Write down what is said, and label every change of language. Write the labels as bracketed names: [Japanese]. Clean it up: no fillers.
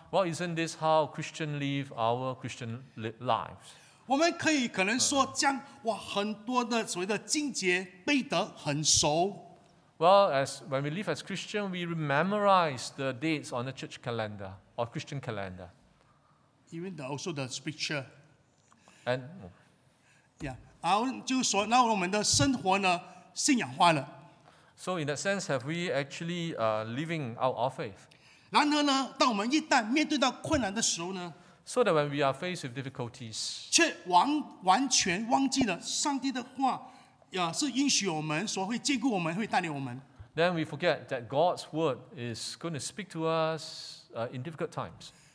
[English] Well, isn't this how Christians live our Christian lives? [Chinese] 我们可以可能说将我很多的所谓的经节背得很熟。 [English] Well, when we live as Christian, we memorize the dates on the church calendar or Christian calendar. Even the, also the scripture. And [Chinese] yeah, 就说那我们的生活呢，信仰化了。 [English] So in that sense, have we actually living out our faith? [Chinese] 然而呢，当我们一旦面对到困难的时候呢？ [English] So that when we are faced with difficulties, [Chinese] 却完全忘记了上帝的话。是应许我们说会借故我们会带领我们。 [English] Then we forget that God's word is going to speak to us in difficult times.